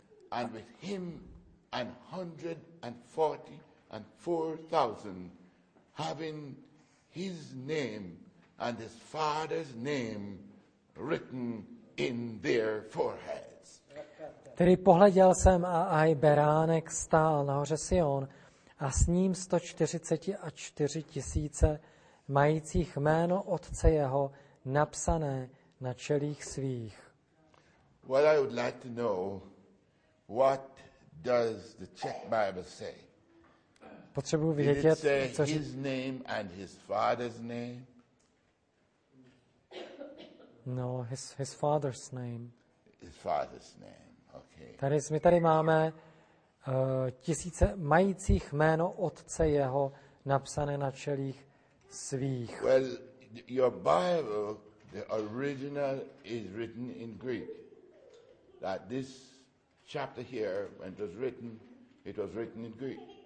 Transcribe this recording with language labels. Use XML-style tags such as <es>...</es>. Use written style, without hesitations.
<en>And with him an 144,000 having his name and his father's name written in their foreheads.</en> <cs>Tedy pohleděl jsem a aj beránek stál nahoře Sion a s ním 144 tisíce majících jméno otce jeho napsané na čelích svých.</cs> <en>What I would like to know, what does the Czech Bible say?</en> <cs>Potřebuji vědět, co říká.</cs> <en>His name and his father's name. No, his father's name. His father's name. Okay.</en> <cs>Tady my tady máme tisíce majících jméno otce jeho napsané na čelích svých.</cs> <en>Well, your Bible, the original, is written in Greek. That this chapter here, when it was written in Greek.</en>